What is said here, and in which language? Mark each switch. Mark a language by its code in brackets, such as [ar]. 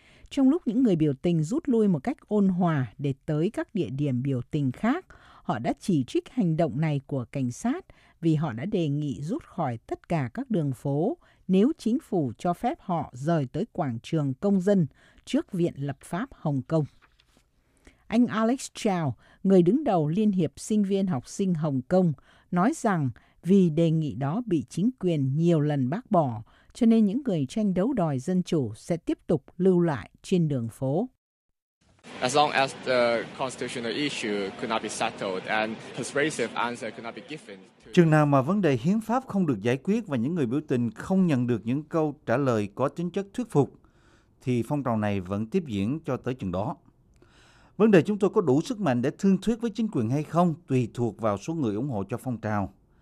[vi] Trong lúc những người biểu tình rút lui một cách ôn hòa để tới các địa điểm biểu tình khác, họ đã chỉ trích hành động này của cảnh sát vì họ đã đề nghị rút khỏi tất cả các đường phố nếu chính phủ cho phép họ rời tới quảng trường công dân trước Viện Lập pháp Hồng Kông. Anh Alex Chow, người đứng đầu Liên hiệp Sinh viên Học sinh Hồng Kông, nói rằng vì đề nghị đó bị chính quyền nhiều lần bác bỏ, cho nên những người tranh đấu đòi dân chủ sẽ tiếp tục lưu lại trên đường phố. [en] As long as the constitutional issue could not be settled and persuasive answer could not be given. [vi] Chừng nào mà vấn đề hiến pháp không được giải quyết và những người biểu tình không nhận được những câu trả lời có tính chất thuyết phục, thì phong trào này vẫn tiếp diễn cho tới chừng đó. Vấn đề chúng tôi có đủ sức mạnh để thương thuyết với chính quyền hay không tùy thuộc vào số người ủng hộ cho phong trào.